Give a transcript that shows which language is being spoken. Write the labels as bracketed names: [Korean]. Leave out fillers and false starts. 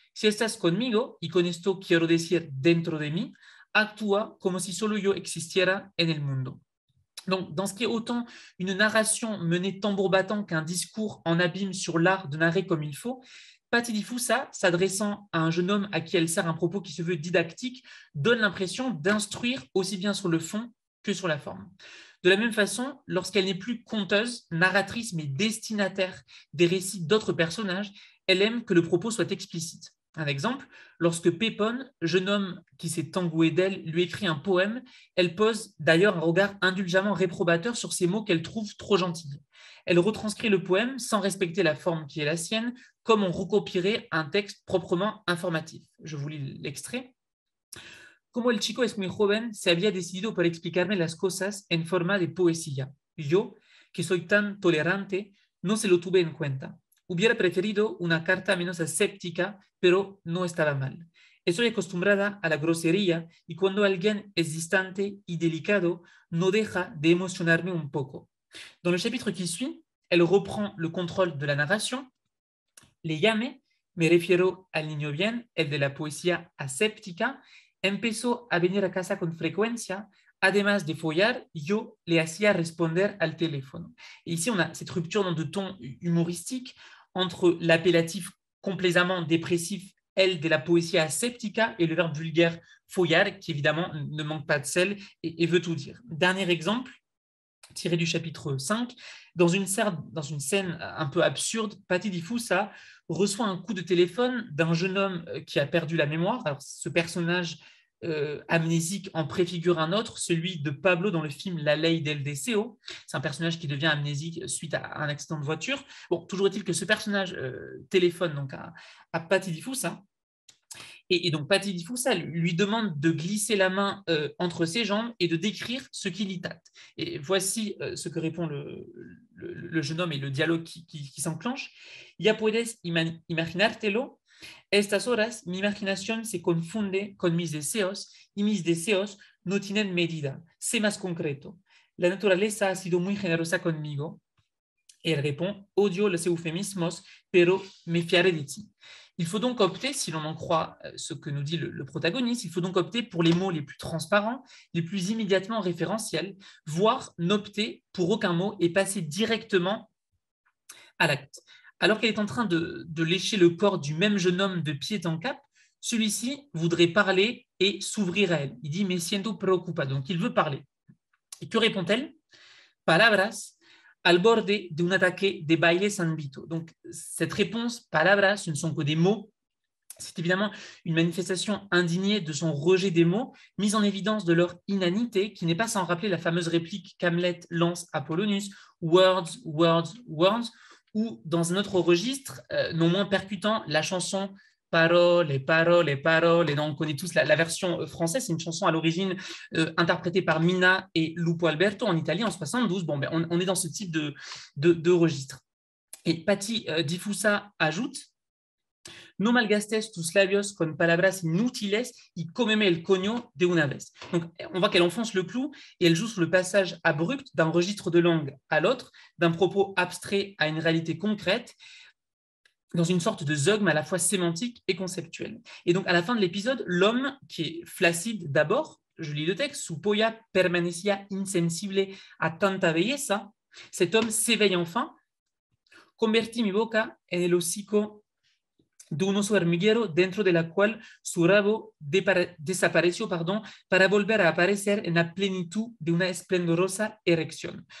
[Spanish] Si estás conmigo, y con esto quiero decir dentro de mí, actúa como si solo yo existiera en el mundo. [French] Donc, dans ce qui est autant une narration menée tambour battant qu'un discours en abîme sur l'art de narrer comme il faut, Patty Difusa, s'adressant à un jeune homme à qui elle sert un propos qui se veut didactique, donne l'impression d'instruire aussi bien sur le fond que sur la forme. De la même façon, lorsqu'elle n'est plus conteuse, narratrice, mais destinataire des récits d'autres personnages, elle aime que le propos soit explicite. Un exemple, lorsque Pépone, jeune homme qui s'est engoué d'elle, lui écrit un poème, elle pose d'ailleurs un regard indulgemment réprobateur sur ces mots qu'elle trouve trop gentils. Elle retranscrit le poème sans respecter la forme qui est la sienne, comme on recopierait un texte proprement informatif. Je vous lis l'extrait. [Spanish] Como el chico es muy joven, se había decidido por explicarme las cosas en forma de poesía. Yo, que soy tan tolerante, no se lo tuve en cuenta. Hubiera preferido una carta menos escéptica, pero no estaba mal. Estoy acostumbrada a la grosería y cuando alguien es distante y delicado, no deja de emocionarme un poco. [French] Dans le chapitre qui suit, elle reprend le contrôle de la narration. [Spanish] Le llamé, me refiero al niño bien, el de la poesía escéptica, empezó a venir a casa con frecuencia. Además de follar, yo le hacía responder al teléfono. [French] Et ici, on a cette rupture de ton humoristique entre l'appellatif complaisamment dépressif, elle, de la poésie aseptica, et le verbe vulgaire follar, qui évidemment ne manque pas de sel et veut tout dire. Dernier exemple, tiré du chapitre 5. Dans une scène un peu absurde, Patti Di Fusa reçoit un coup de téléphone d'un jeune homme qui a perdu la mémoire. Alors, ce personnage amnésique en préfigure un autre, celui de Pablo dans le film La Ley del Deseo. C'est un personnage qui devient amnésique suite à un accident de voiture. Bon, toujours est-il que ce personnage téléphone donc à Patti Di Fusa. Et donc Patti Di Fusa lui demande de glisser la main entre ses jambes et de décrire ce qu'il y tâte. Et voici ce que répond le jeune homme et le dialogue qui s'enclenche. [Spanish] Ya puedes imaginártelo. Estas horas, mi imaginación se confunde con mis deseos y mis deseos no tienen medida. Sé más concreto. La naturaleza ha sido muy generosa conmigo. [French] Et elle répond, [Spanish] odio los eufemismos, pero me fiaré de ti. [French] Il faut donc opter, si l'on en croit ce que nous dit le protagoniste, il faut donc opter pour les mots les plus transparents, les plus immédiatement référentiels, voire n'opter pour aucun mot et passer directement à l'acte. Alors qu'elle est en train de lécher le corps du même jeune homme de pied en cap, celui-ci voudrait parler et s'ouvrir à elle. Il dit « [Spanish] me siento preocupado [French] », donc il veut parler. Et que répond-elle [Spanish] ?« Palabras al borde de un ataque de baile sanbito ». [French] Donc cette réponse « palabras », ce ne sont que des mots. C'est évidemment une manifestation indignée de son rejet des mots, mise en évidence de leur inanité, qui n'est pas sans rappeler la fameuse réplique qu'Hamlet lance à Polonius « [English] words, words, words ». [French] Ou dans un autre registre, non moins percutant, la chanson Parole, Parole, Parole, et donc on connaît tous la version française, c'est une chanson à l'origine interprétée par Mina et Lupo Alberto en Italie en 72. Bon, ben, on est dans ce type de registre. Et Patti Di Fusa ajoute [Spanish] No malgastes tus labios con palabras inútiles y cómeme el coño de una vez. [French] Donc, on voit qu'elle enfonce le clou et elle joue sur le passage abrupt d'un registre de langue à l'autre, d'un propos abstrait à une réalité concrète, dans une sorte de zeugme à la fois sémantique et conceptuel. Et donc, à la fin de l'épisode, l'homme, qui est flaccide d'abord, je lis le texte, [Spanish] su polla permanecía insensible a tanta belleza, [French] cet homme s'éveille enfin, [Spanish] converti mi boca en el hocico d'un oso hormiguero dentro de la cual su rabo desapareció, [French] pardon, [Spanish] para volver a aparecer en la plenitud de una esplendorosa erección.